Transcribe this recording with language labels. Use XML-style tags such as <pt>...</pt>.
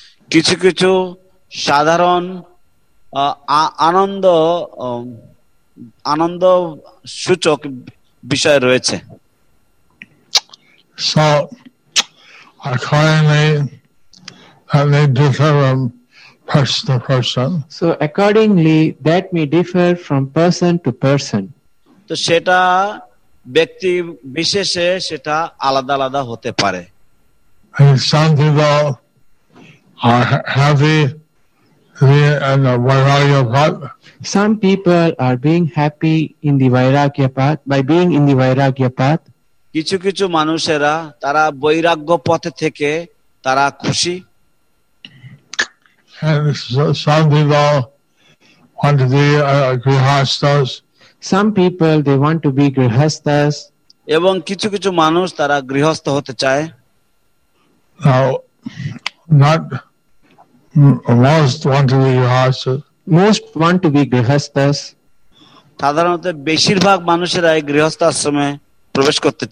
<bn>Kichu kichu sadharon anando suchok bishoy royeche.</bn> <en>So accordingly, and they differ from person to person. So accordingly, that may differ from person to person.</en> <bn>তো সেটা ব্যক্তি বিশেষে সেটা আলাদা আলাদা হতে পারে।</bn> <en>Some people are happy in the Vairagya path. Some people are being happy in the Vairagya path by being in the Vairagya path.</en> <bn>কিছু কিছু মানুষেরা তারা বৈরাগ্য পথে থেকে তারা খুশি।</bn> <en>And some people want to be grihasthas. Some people, they want to be grihasthas.</en> <bn>এবং কিছু কিছু মানুষ তারা গৃহস্থ হতে চায়।</bn> <en>Now, not most want to be grihasthas. Most want to be grihasthas.</en> <bn>সাধারণত বেশিরভাগ মানুষেরাই গৃহস্থ আশ্রমে প্রবেশ করতে</bn>